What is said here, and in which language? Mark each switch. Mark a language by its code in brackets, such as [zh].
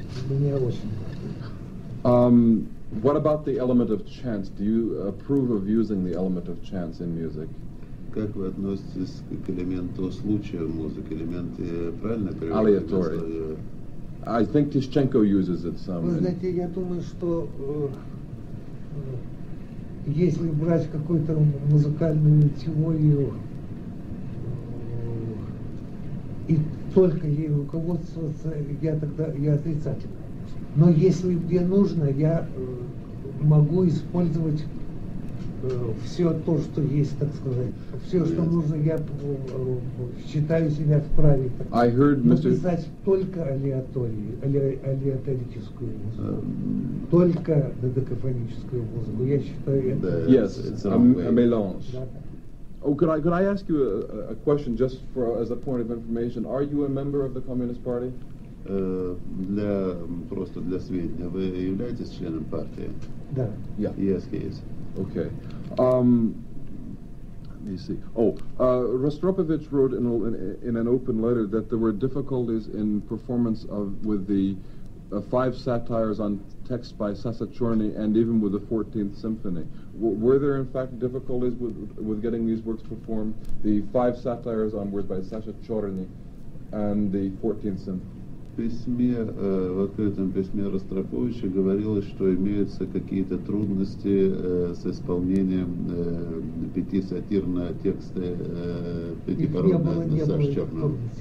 [en] What about the element of chance? Do you approve of using the element of chance in music? [ru] Как вы относитесь к элементу случая в музыке, элемент правильно перевести? [en] Aleatory. I think Tishchenko uses it some. [ru] Вы знаете, я думаю, что если брать какую-то музыкальную теорию и только ей руководствоваться, я отрицательно. Но если мне нужно, я могу использовать все то, что есть, так сказать. Все, что нужно, я считаю себя вправе написать только алиаторическую музыку, только додекафоническую музыку. Я считаю Мелонж. [en] Oh, could I ask you a question just for as a point of information? Are you a member of the Communist Party? [ru] Просто для сведения, вы являетесь членом партии? Да. [en] Yeah. Yes, he is. Okay. Let me see. Ростропович wrote in an open letter that there were difficulties in performance with the five satires on text by Sasachorny and even with the 14th symphony. Were there in fact difficulties with getting these works performed, the five satires on words by Sasachorny and the 14th symphony? [ru] В открытом письме Ростроповича говорилось, что имеются какие-то трудности с исполнением пяти сатир на тексты пяти пародий на Сашу Чорного.